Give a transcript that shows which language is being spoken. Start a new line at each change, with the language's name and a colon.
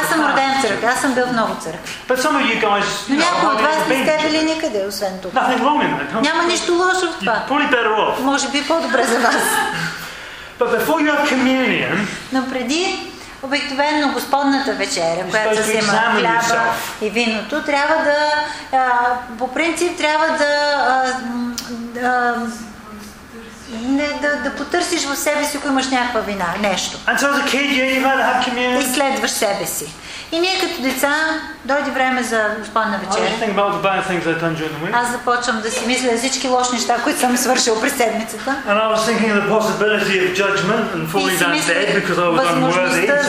Bulgarian: аз съм роден в църкви, аз съм бил в много църкви.
English: But some of you guys,
Bulgarian: но някои от вас не сте били никъде, освен тук.
English: Nothing wrong in that.
Bulgarian: Няма нищо лошо в това.
English: You're probably better off.
Bulgarian: Може би по-добре за вас.
English: But before you have communion,
Bulgarian: но преди обикновено Господната вечеря, която взема хляба и виното, трябва да, по принцип, трябва да... Не да потърсиш в себе си, ако имаш някаква вина, нещо.
English: And so as a kid, you might have communion.
Bulgarian: И следваш себе си. И ние като деца, дойде време за Господна вечеря. Аз започвам да си мисля всички лоши неща, които съм свършил през седмицата.
English: And I was thinking the possibility of judgment and falling down dead because I was unworthy.